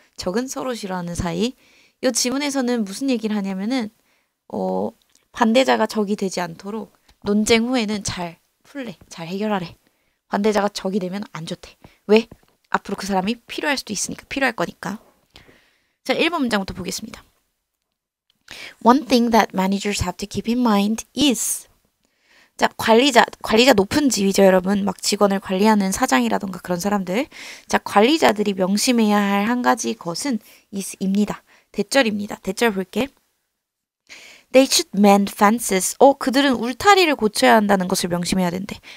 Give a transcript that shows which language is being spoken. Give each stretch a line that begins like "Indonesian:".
Korean: 적은 서로 싫어하는 사이. 요 지문에서는 무슨 얘기를 하냐면은, 반대자가 적이 되지 않도록 논쟁 후에는 잘 풀래. 잘 해결하래. 반대자가 적이 되면 안 좋대. 왜? 앞으로 그 사람이 필요할 수도 있으니까. 필요할 거니까. 자, 1번 문장부터 보겠습니다.
English: One thing that managers have to keep in mind is.
Korean: 자, 관리자 높은 지위죠, 여러분. 막 직원을 관리하는 사장이라던가 그런 사람들. 자, 관리자들이 명심해야 할한 가지 것은 is입니다. 대절입니다. 대절 볼게.
English: They should mend fences.
Korean: 그들은 울타리를 고쳐야 한다는 것을 명심해야 된대.